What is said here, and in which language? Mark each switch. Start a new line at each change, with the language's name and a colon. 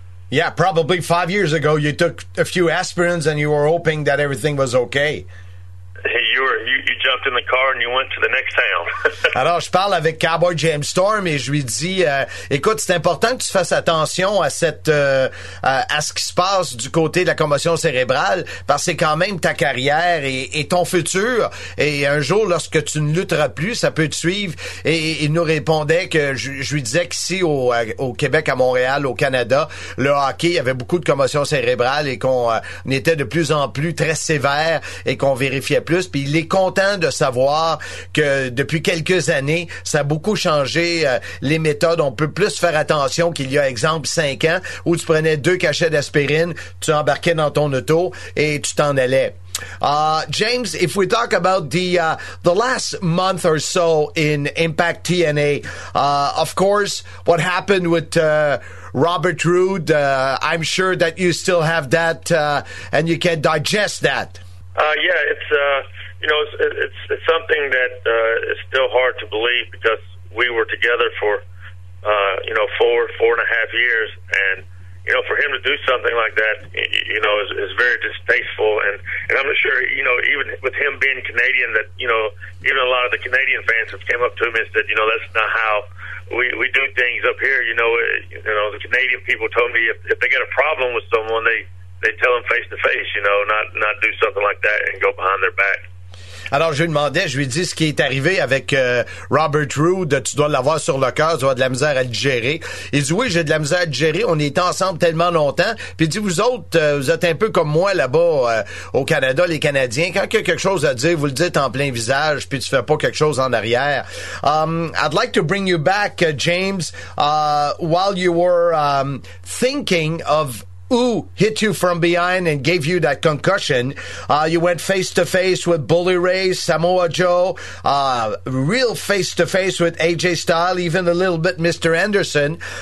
English: Yeah, probably 5 years ago, you took a few aspirins and you were hoping that everything was okay. you jumped in the car and you went to the next town.
French: Alors, je parle avec Cowboy James Storm et je lui dis, écoute, c'est important que tu fasses attention à cette à ce qui se passe du côté de la commotion cérébrale, parce que c'est quand même ta carrière et ton futur. Et un jour, lorsque tu ne lutteras plus, ça peut te suivre. Et il nous répondait que je lui disais qu'ici, au Québec, à Montréal, au Canada, le hockey, il y avait beaucoup de commotion cérébrale et qu'on était de plus en plus très sévère et qu'on vérifiait plus. Puis il est content de savoir que depuis quelques années, ça a beaucoup changé les méthodes. On peut plus faire attention qu'il y a, exemple, 5 ans, où tu prenais 2 cachets d'aspirine, tu embarquais dans ton auto et tu t'en allais.
English: James, if we talk about the last month or so in Impact TNA, of course, what happened with Robert Roode, I'm sure that you still have that and you can digest that. Yeah, it's something that is still hard to believe, because we were together for, four and a half years. And you know, for him to do something like that, you know, is very distasteful. And I'm not sure, you know, even with him being Canadian, that, you know, even a lot of the Canadian fans have came up to him and said, you know, that's not how we do things up here. You know, the Canadian people told me if they get a problem with someone, they tell them face to face, you know, not do something like that and go behind their back.
French: Alors, je lui demandais, je lui dis ce qui est arrivé avec Robert Roode, tu dois l'avoir sur le cœur, tu as de la misère à le gérer. Il dit, oui, j'ai de la misère à le gérer, on est ensemble tellement longtemps. Puis il dit, vous autres, vous êtes un peu comme moi là-bas au Canada, les Canadiens. Quand il y a quelque chose à dire, vous le dites en plein visage, puis tu fais pas quelque chose en arrière.
English: I'd like to bring you back, James, while you were thinking of who hit you from behind and gave you that concussion. You went face-to-face with Bully Ray, Samoa Joe, real face-to-face with AJ Styles, even a little bit Mr. Anderson.